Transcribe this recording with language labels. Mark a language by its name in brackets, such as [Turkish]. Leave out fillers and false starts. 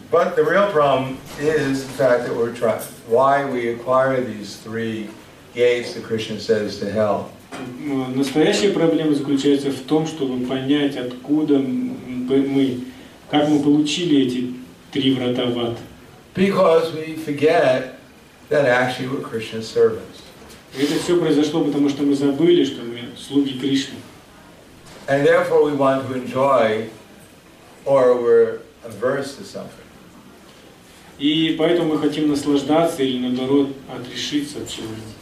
[English] But the real problem is the fact that we're trying. Why we acquire these three gates, the Krishna says, to hell. [Russian] Настоящая проблема заключается в том, чтобы понять, откуда мы, как мы получили эти три врата в ад. [English] Because we forget that actually we're Krishna servants. [Russian] Это все произошло, потому что мы забыли, что мы слуги Кришны. [English] And therefore we want to enjoy, or we're averse to suffering. [Russian] И поэтому мы хотим наслаждаться или, наоборот, отрешиться от чего-то.